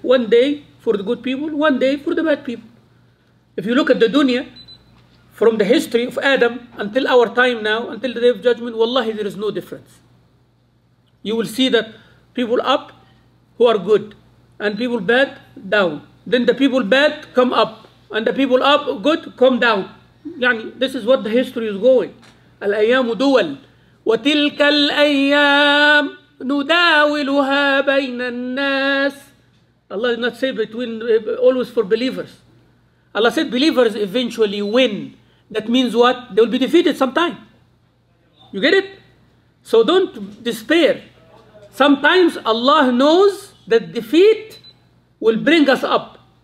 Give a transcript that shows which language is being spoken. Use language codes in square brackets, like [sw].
[en] One day for the good people, one day for the bad people. If you look at the dunya, from the history of Adam until our time now, until the day of judgment, wallahi, there is no difference. You will see that people up who are good, and people bad down. Then the people bad come up, and the people up good come down. يعني, this is what the history is going. [ar] الأيام دول وتلك الأيام نداولها بين الناس. [en] Allah did not say between always for believers. Allah said believers eventually win. That means what? They will be defeated sometime. You get it? So don't despair. Sometimes Allah knows that defeat will bring us up.